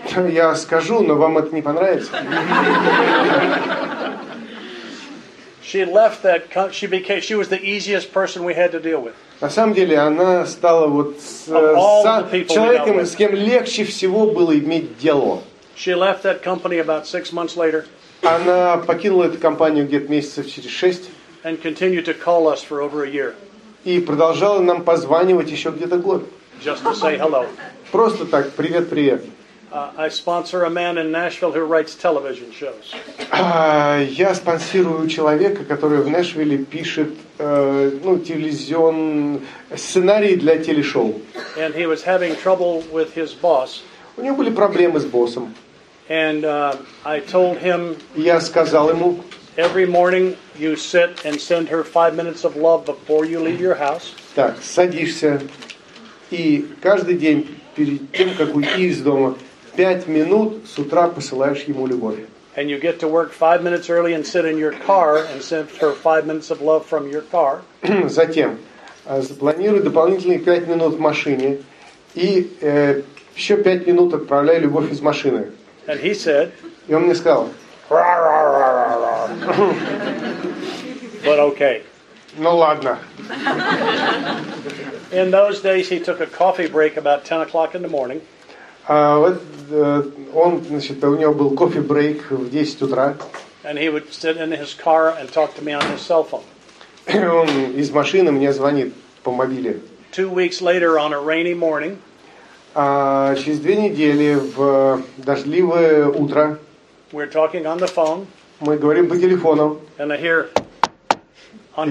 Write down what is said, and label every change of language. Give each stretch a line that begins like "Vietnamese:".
Russian: Я скажу, но вам это не понравится.
English: She left that. She was the easiest person we had to deal with.
Russian: На самом деле, она стала вот человеком, с кем легче всего было иметь дело.
English: She left that company about 6 months later.
Russian: Она покинула эту компанию где-то месяцев через 6.
English: And continued to call us for over a year.
Russian: И продолжала нам позванивать еще где-то год.
English: Just to say hello.
Russian: Просто так, привет, привет.
English: I sponsor a man in Nashville who writes television shows.
Russian: Я спонсирую человека, который в Нэшвилле пишет сценарий для телешоу.
English: And he was having trouble with his boss.
Russian: У него были проблемы с боссом.
English: And I told him.
Russian: Я сказал ему.
English: Every morning you sit and send her 5 minutes of love before you leave your house.
Russian: Так, садишься и каждый день перед тем, как уйти из дома, 5 минут с утра посылаешь ему любовь.
English: And you get to work 5 minutes early and sit in your car and send her 5 minutes of love from your car.
Russian: Затем запланируй дополнительные 5 минут в машине и еще 5 минут отправляю любовь из машины.
English: And he said,
Russian: и он мне сказал, ра-ра-ра-ра-ра.
English: But okay.
Russian: Ну ладно.
English: In those days he took a coffee break about 10 o'clock in the morning.
Russian: У него был кофе-брейк в 10 утра.
English: And he would sit in his car and talk to me on his cell phone.
Russian: Он из машины мне звонит по мобиле.
English: 2 weeks later on a rainy morning.
Russian: А через 2 недели в дождливое утро
English: we're talking on the phone,
Russian: мы говорим по телефону.
English: And I hear on